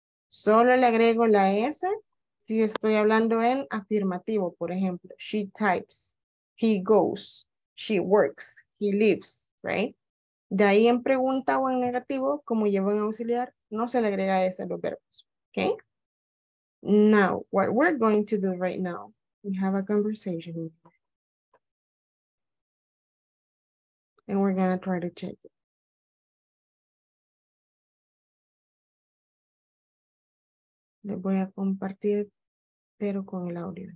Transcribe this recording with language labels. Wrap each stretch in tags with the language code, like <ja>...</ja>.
<es>Solo le agrego la S si estoy hablando en afirmativo. Por ejemplo,</es> <en>she types, he goes, she works, he lives. ¿Right?</en> <es>De ahí en pregunta o en negativo, como llevo en auxiliar, no se le agrega S a los verbos. ¿Ok?</es> <en>Now, what we're going to do right now, we have a conversation. And we're going to try to check it.</en> <es>Le voy a compartir, pero con el audio.</es>